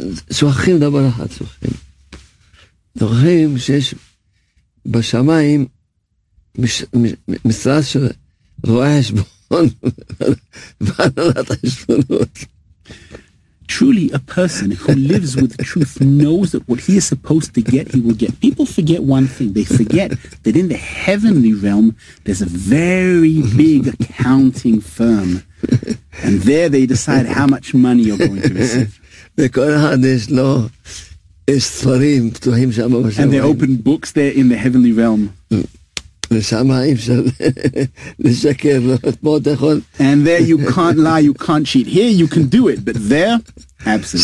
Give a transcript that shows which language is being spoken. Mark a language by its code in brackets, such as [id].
[he] שוכחים דבר אחד, שוכחים שיש בשמיים משרד של רואה השבון ועדת השבונות. [en] Truly, a person who lives with truth knows that what he is supposed to get, he will get. People forget one thing. They forget that in the heavenly realm, there's a very big accounting firm. And there they decide how much money you're going to receive. [he] וכל אחד יש לו, יש ספרים פתוחים שם בשמיים. [en] And they open books there in the heavenly realm. [he] ושם אי אפשר לשקר, פה אתה יכול. [en] And there you can't lie, you can't cheat. Here you can do it, but there, absolutely.